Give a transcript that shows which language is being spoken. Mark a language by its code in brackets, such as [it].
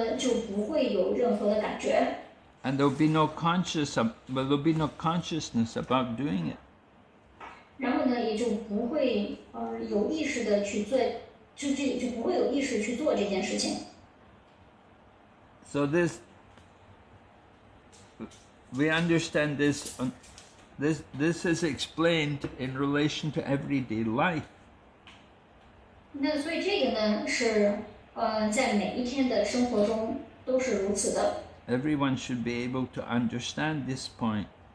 [en] And there will be no consciousness about doing it. [zh] 然后呢，也就不会有意识的去做这件事情。 [en] So this. We understand this is explained in relation to everyday life. [zh] 那所以这个呢是在每一天的生活中都是如此的。 [en] Everyone should be able to understand this point.